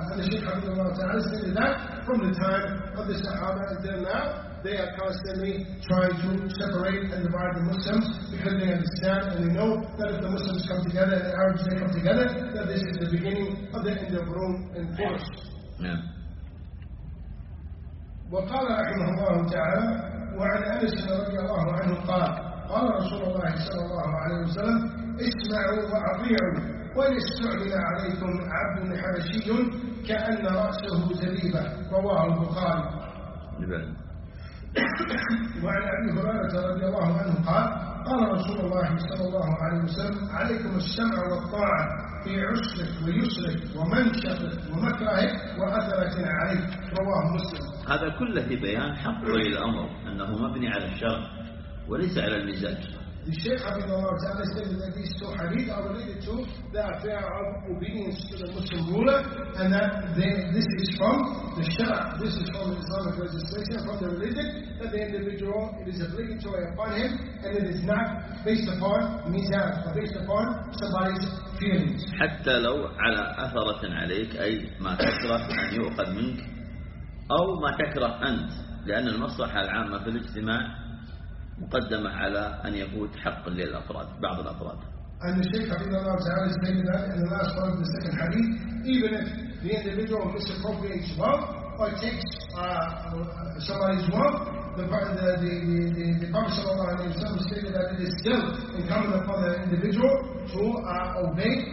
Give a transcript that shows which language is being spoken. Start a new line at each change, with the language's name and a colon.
English: And the Shaykh Abdullah Ta'ala said that from the time of the Sahaba until now, they are constantly trying to separate and divide the Muslims because they understand and they know that if the Muslims come together and the Arabs they come together, that this is the beginning of the end of Rome and force.
Arabic: وقال رحمه الله تعالى وعن أنس رضي الله عنه قال قال رسول الله صلى الله عليه وسلم اسمعوا وأطيعوا وإن استعمل عليكم عبد حبشي كأن رأسه زبيبة رواه البخاري وعن أبي هريرة رضي الله عنه قال قال رسول الله صلى الله عليه وسلم: عليكم السمع والطاعة في عسرك ويسرك ومنشطك ومكرهك وأثرة عليك، رواه مسلم. هذا كله بيان حق ولي الأمر أنه مبني على الشرع وليس على المزاج.
English: الشيخ عبد الله تعالى said that these two hadith are related to the affair of obedience to the Muslim ruler, and that this is from the Shara, this is from the Islamic legislation, from the religion, that the individual, it is obligatory upon him, and it is not based upon mizaj, but based upon somebody's feelings.
Arabic: حتى لو على أثرة عليك، أي ما تكره أن يؤخذ منك أو ما تكره أنت، لأن المصلحة العامة في الاجتماع مقدمة على أن يفوت حق للأفراد بعض الأفراد.
English: And the Shaykh Abid Allah Ta'ala is saying that in the last part of the second hadith, even if the individual misappropriates wealth or takes somebody's wealth, the Prophet sallallahu alayhi wa sallam stated that it is still incumbent upon the individual to obey.